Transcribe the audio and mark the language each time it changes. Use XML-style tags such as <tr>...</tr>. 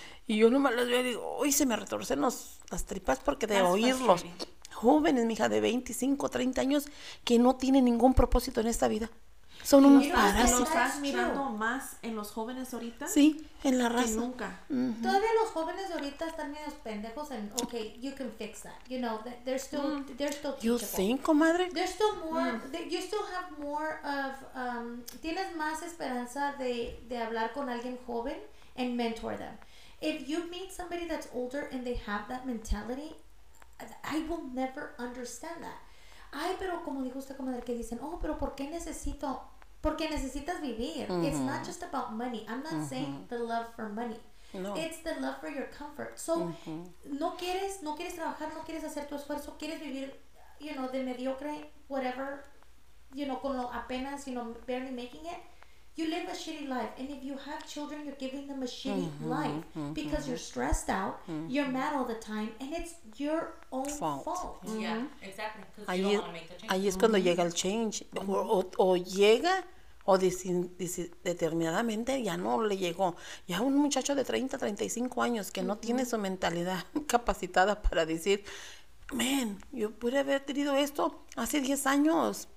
<es>Y yo nomás les veo y digo, uy, se me retorcen las tripas, porque de oírlos. Jóvenes, mija, de 25, 30 años, que no tienen ningún propósito en esta vida. Son un parásito. ¿Lo estás mirando más en los jóvenes ahorita? Sí, en la raza. Que nunca. Todavía los jóvenes ahorita están medio pendejos en,</es> <en>okay, you can fix that. You know, they're still teachable. You think, comadre? There's still more, you still have more of,</en> <es>tienes más esperanza de hablar con alguien joven</es> <en>and mentor them. If you meet somebody that's older and they have that mentality, I will never understand that.</en> <es>Ay, pero como dijo usted, comadre, que dicen, oh, pero ¿por qué necesito? Porque necesitas vivir.</es> <en>It's not just about money. I'm not saying the love for money. No. It's the love for your comfort. So,</en> <es>no quieres trabajar, no quieres hacer tu esfuerzo, quieres vivir,</es> <en>you know,</en> <es>de mediocre,</es> <en>whatever, you know,</en> <es>con lo apenas,</es> <en>you know, barely making it. You live a shitty life. And if you have children, you're giving them a shitty life because you're stressed out, you're mad all the time, and it's your own fault. Yeah, exactly. Because you don't want to make the change.</en> <es>Ahí es cuando llega el change. O llega, o determinadamente ya no le llegó. Ya un muchacho de 30, 35 años que no tiene su mentalidad capacitada para decir, man, yo pude haber tenido esto hace 10 años.</es>